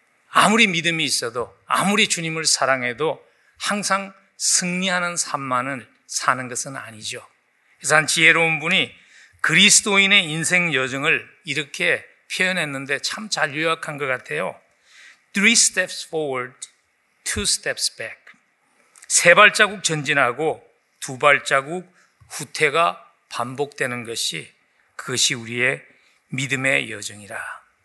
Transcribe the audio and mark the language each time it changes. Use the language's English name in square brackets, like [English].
[Korean] 아무리 믿음이 있어도 아무리 주님을 사랑해도 항상 승리하는 삶만을 사는 것은 아니죠. 그래서 한 지혜로운 분이 그리스도인의 인생 여정을 이렇게 표현했는데 참 잘 요약한 것 같아요. [English] Three steps forward, two steps back. [Korean] 세 발자국 전진하고 두 발자국 후퇴가 반복되는 것이 그것이 우리의 믿음의 여정이라.